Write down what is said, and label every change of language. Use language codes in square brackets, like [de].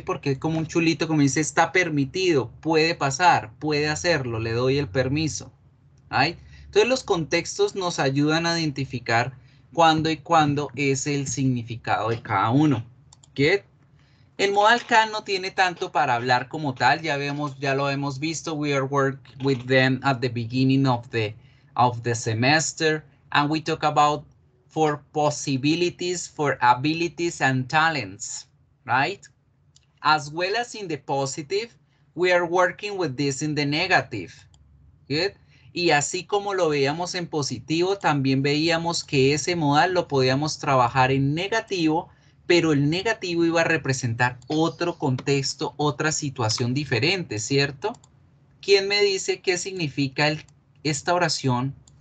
[es] Porque es como un chulito que me dice está permitido, puede pasar, puede hacerlo, le doy el permiso. [en] Right. [es] Entonces, los contextos nos ayudan a identificar cuándo y cuándo es el significado de cada uno. [en] Good. [es] El modal can no tiene tanto para hablar como tal. Ya lo hemos visto. [en] We are working with them at the beginning of the semester. And we talk about for possibilities, for abilities and talents. Right? As well as in the positive, we are working with this in the negative. Good. [es] Y así como lo veíamos en positivo, también veíamos que ese modal lo podíamos trabajar en negativo, pero el negativo iba a representar otro contexto, otra situación diferente, ¿cierto? ¿Quién me dice qué significa esta oración?